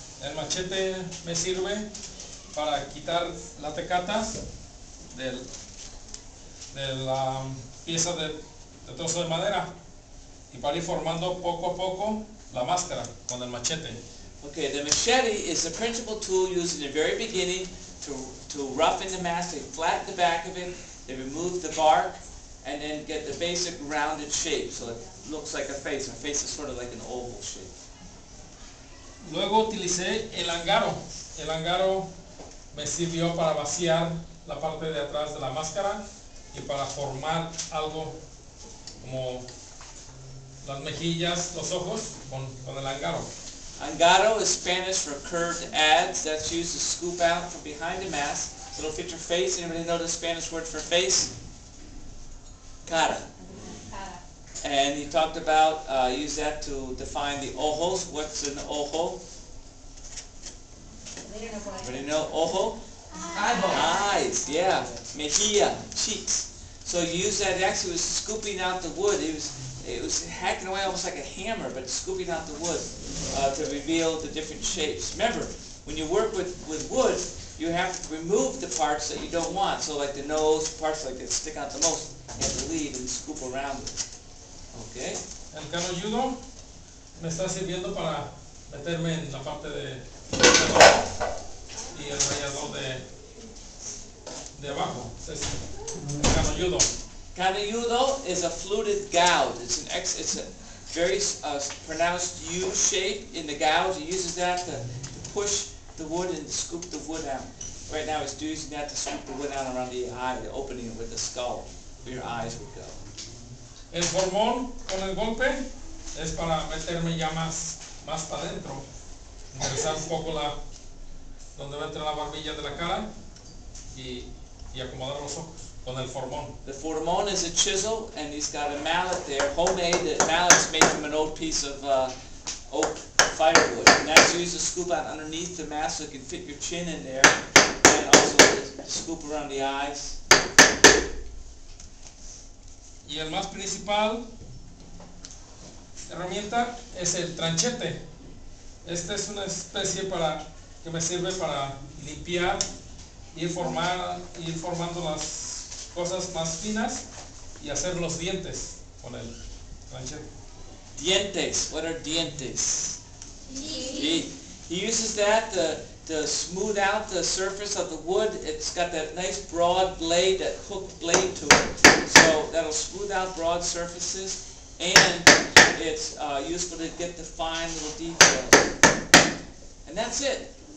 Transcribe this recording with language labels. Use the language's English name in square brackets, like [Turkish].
[Spanish] El machete me sirve para quitar la tecata de la pieza de trozo de madera y para ir formando poco a poco la máscara con el machete. [English] Okay, the machete is the principal tool used in the very beginning to roughen the mask. They flatten the back of it, they remove the bark, and then get the basic rounded shape, so it looks like a face. A face is sort of like an oval shape. [Spanish] Luego utilicé el angaro. El angaro me sirvió para vaciar la parte de atrás de la máscara y para formar algo como las mejillas, los ojos, con el angaro. [English] Angaro is Spanish for curved ads. That's used to scoop out from behind the mask. So it'll fit your face. Anybody know the Spanish word for face? Cara. And he talked about, use that to define the ojos. What's an ojo? Anybody know ojo? Eyes, yeah. Mejilla, cheeks. So you use that, actually was scooping out the wood. It was hacking away almost like a hammer, but scooping out the wood to reveal the different shapes. Remember, when you work with wood, you have to remove the parts that you don't want. So like the nose, parts like that stick out the most. And lead and scoop around it. Okay. [Spanish] El canoyudo me está sirviendo para meterme en la parte de y el rayador de abajo. Es el canoyudo. Canoyudo is a fluted gouge. It's a very pronounced U shape in the gouge. He uses that to push the wood and scoop the wood out. Right now he's using that to scoop the wood out around the eye, the opening with the skull. Your eyes would go. El formón con el golpe es para meterme ya más para adentro. Ingresar un poco donde va a entrar la barbilla de la cara y y acomodar los ojos con el formón. [English] The formón is a chisel and he's got a mallet there, homemade. The mallet's made from an old piece of oak firewood. And as you use a scoop out underneath the mask so it can fit your chin in there, and also scoop around the eyes. [Spanish] Y el más principal herramienta es el tranchete. Esta es una especie para que me sirve para limpiar y formar, ir formando las cosas más finas y hacer los dientes con el tranchete. [English] Dientes, what are dientes? Teeth. He uses that to smooth out the surface of the wood. It's got that nice broad blade, that hooked blade to it. So that'll smooth out broad surfaces. And it's useful to get the fine little details. And that's it.